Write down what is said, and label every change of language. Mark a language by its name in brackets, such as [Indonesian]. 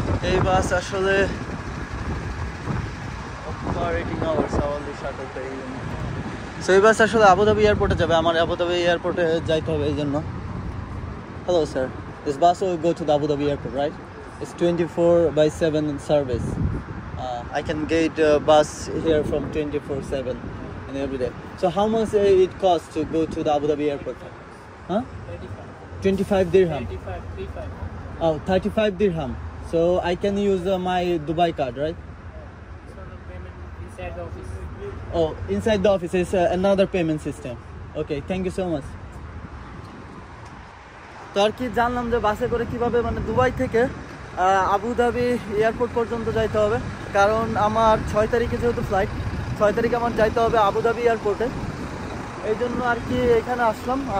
[Bangla] এই বাস আসলে [English] operating hours on the shuttle pain so [Bangla] এই বাস আসলে আবুধাবি এয়ারপোর্টে যাবে আমার আবুধাবি এয়ারপোর্টে যাইতে হবে এই জন্য [English] Hello sir this bus will go to the Abu Dhabi airport right it's 24/7 service I can get a bus here from 24/7 and every day. So how much it costs to go to the Abu Dhabi airport? 35 dirham. 35 dirham. So I can use my Dubai card, right? Oh, inside the office is another payment system. Okay, thank you so much. [Bangla] Turkey জানলাম যে বাসে করে কিভাবে মানে Dubai থেকে Abu Dhabi airport পর্যন্ত যাইতে হবে কারণ আমার 6 তারিখে যেহেতু ফ্লাইট 6 তারিখে আমার যাইতে হবে আবু ধাবি এয়ারপোর্টে এইজন্য আর কি এখানে আসলাম